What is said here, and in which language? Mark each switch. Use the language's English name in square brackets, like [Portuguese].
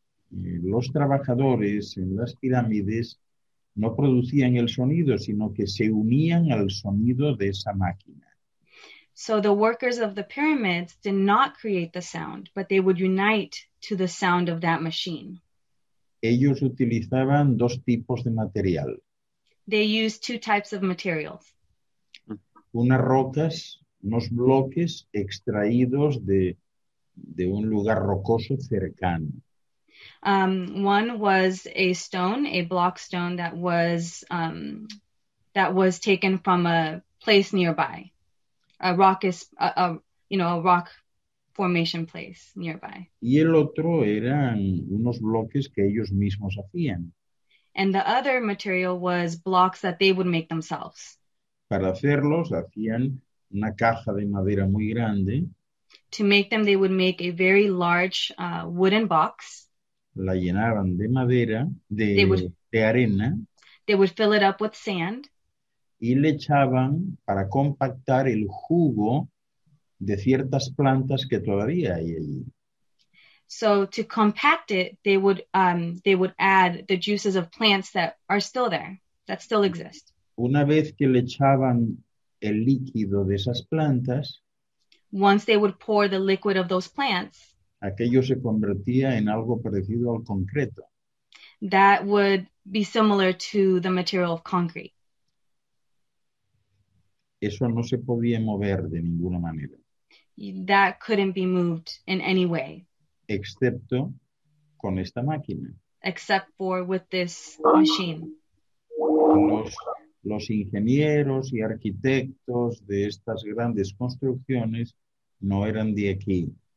[Spanish] Los trabajadores en las pirámides no producían el sonido, sino que se unían al sonido de esa máquina. [English] So the workers of the pyramids did not create the sound, but they would unite to the sound of that machine. [Spanish] Ellos utilizaban 2 tipos de material. [English] They use 2 types of materials. [Spanish] Unas rocas, unos bloques extraídos de un lugar rocoso cercano. [English] One was a stone, a block stone that was taken from a place nearby, a rock is a rock formation place nearby. [Spanish] Y el otro eran unos bloques que ellos mismos hacían. [English] And the other material was blocks that they would make themselves. [Spanish] Para hacerlos hacían una caja de madera muy grande. [English] To make them, they would make a very large wooden box. [Spanish] La llenaban de madera, de arena. [English] They would fill it up with sand. [Spanish] Y le echaban para compactar el jugo de ciertas plantas que todavía hay allí. [English] So to compact it, they would add the juices of plants that are still there, that still exist. [Spanish] Una vez que le echaban el líquido de esas plantas, [English] once they would pour the liquid of those plants, [Spanish] aquello se convertía en algo parecido al concreto. [English] That would be similar to the material of concrete. [Spanish] Eso no se podía mover de ninguna manera. [English] That couldn't be moved in any way. [Spanish] Excepto con esta máquina. [English] Except for with this machine. [Spanish] Los ingenieros y arquitectos de estas grandes construcciones no eran de aquí.